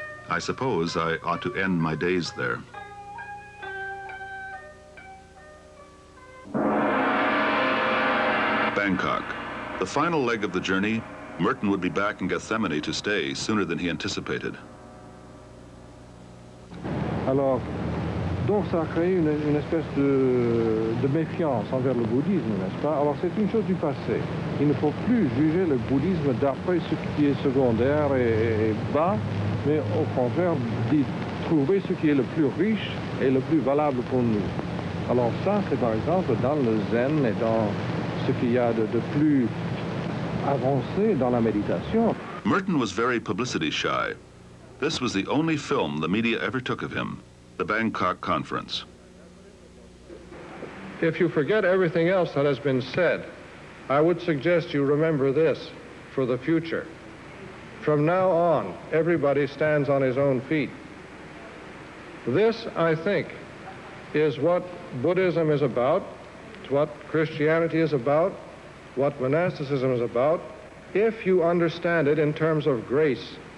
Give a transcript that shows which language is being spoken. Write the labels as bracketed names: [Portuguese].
[English] I suppose I ought to end my days there. Bangkok. The final leg of the journey, Merton would be back in Gethsemane to stay sooner than he anticipated. [French] Alors, donc ça a créé une espèce de méfiance envers le bouddhisme, n'est-ce pas? Alors c'est une chose du passé. Il ne faut plus juger le bouddhisme d'après ce qui est secondaire et bas, mais au contraire, d'y trouver ce qui est le plus riche et le plus valable pour nous. Alors ça, c'est par exemple dans le zen et dans ce qu'il y a de plus avancé dans la méditation. [English] Merton was very publicity shy. This was the only film the media ever took of him, the Bangkok Conference. If you forget everything else that has been said, I would suggest you remember this for the future. From now on, everybody stands on his own feet. This, I think, is what Buddhism is about, it's what Christianity is about, what monasticism is about, if you understand it in terms of grace.